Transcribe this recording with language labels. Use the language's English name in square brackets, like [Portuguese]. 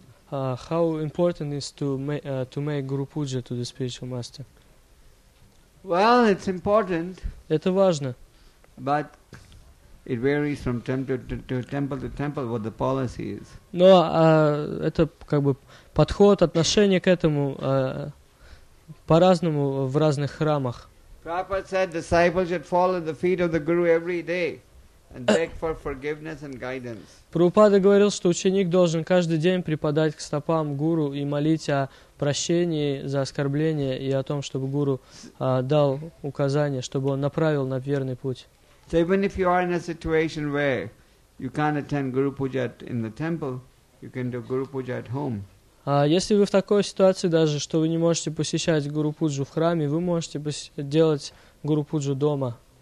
[English] How important is to make Guru Puja to the spiritual master? Well, it's important. [Russian] Это важно. [English] But it varies from temple to temple to temple what the policy is. [Russian] Но это как бы подход, отношение к этому по-разному в разных храмах. [English] Prabhupada said disciples should fall at the feet of the Guru every day and beg for forgiveness and guidance. [Russian] Прабхупада говорил, что ученик должен каждый день припадать к стопам гуру и молить о прощении за оскорбление и о том, чтобы гуру дал указание, чтобы он направил на верный путь. Если вы в такой ситуации даже, что вы не можете посещать гуру пуджу в храме, вы можете делать гуру пуджу дома.